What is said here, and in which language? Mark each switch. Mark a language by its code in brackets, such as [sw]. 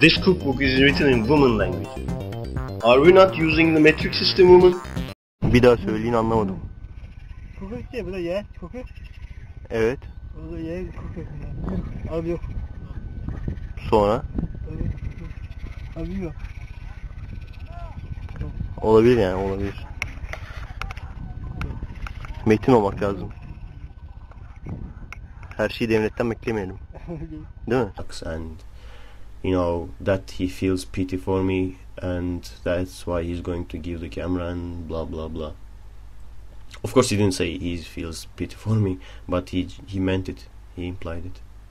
[en] This cookbook is written in woman language. Are we not using the metric system, woman? [tr] Bir daha söyleyin, anlamadım. Cookie işte, bu da ye, cookie. Evet. Bu da ye, cookie. Abi yok. Sonra? Abi yok. Olabilir yani, olabilir. Metin olmak lazım. Her şeyi devletten beklemeyelim. Değil mi? [en] And you know that he feels pity for me and that's why he's going to give the camera and blah blah blah. Of course he didn't say he feels pity for me, but he meant it. He implied it.